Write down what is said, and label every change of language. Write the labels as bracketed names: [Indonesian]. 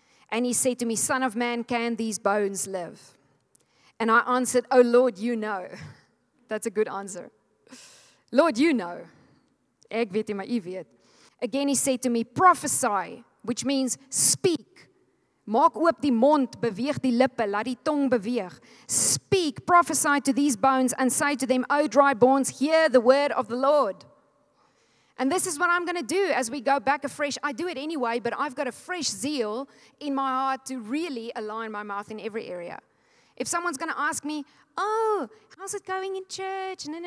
[English] And he said to me, son of man, can these bones live? And I answered, oh Lord, you know. That's a good answer. Lord, you know. [Afrikaans] Ek weet nie, maar u weet. [English] Again, he said to me, prophesy, which means speak. [Afrikaans] Maak oop die mond, beweeg die lippe, laat die tong beweeg. [English] Speak, prophesy to these bones and say to them, O dry bones, hear the word of the Lord. And this is what I'm going to do as we go back afresh. I do it anyway, but I've got a fresh zeal in my heart to really align my mouth in every area. If someone's going to ask me, oh, how's it going in church?